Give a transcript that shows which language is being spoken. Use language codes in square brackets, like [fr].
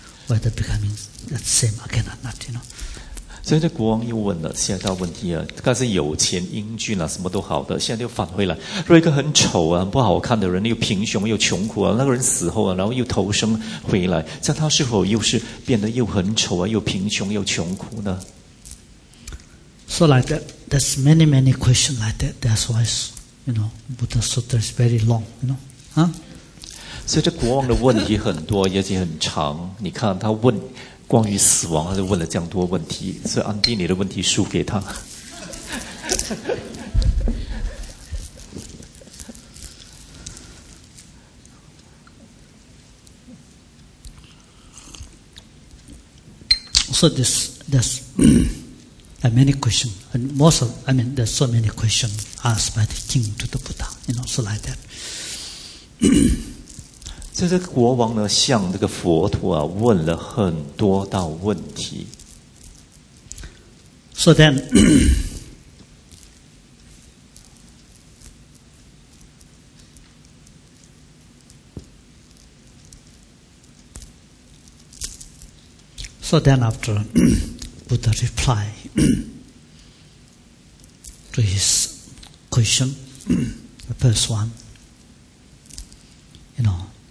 [en] whether becoming the same again or not, you know. [zh] 所以这国王又问了，现在到问题了，刚才有钱英俊啊，什么都好的，现在又返回来，若一个很丑啊，不好看的人，又贫穷又穷苦啊，那个人死后啊，然后又投生回来，像他是否又是变得又很丑啊，又贫穷又穷苦呢？ [en] So like that, there's many, many questions like that. That's why, you know, Buddha Sutra is very long, you know. Huh? [zh] 所以这国王的问题很多，而且很长。你看他问关于死亡，他就问了这样多问题。所以安迪，你的问题输给他。 [en] So this. There are many questions, and there's so many questions asked by the king to the Buddha, you know, so like that. [zh] 所以这个国王呢，向这个佛陀啊，问了很多道问题。 [en] So then, after Buddha replied, to his question, the first one, you know,